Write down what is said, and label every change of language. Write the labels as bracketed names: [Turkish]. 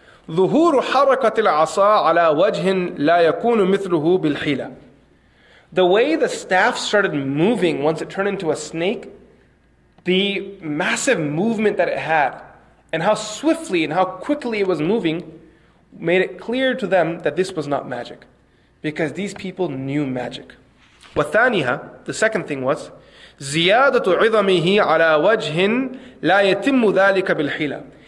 [Arabic] ظهور حركة العصا على وجه لا يكون مثله بالحيلة. [English] The way the staff started moving once it turned into a snake, the massive movement that it had, and how swiftly and how quickly it was moving, made it clear to them that this was not magic, because these people knew magic. [Arabic] وثانيها, [English] the second thing was, [Arabic] زيادة عظمه على وجه لا يتم ذلك بالحيلة.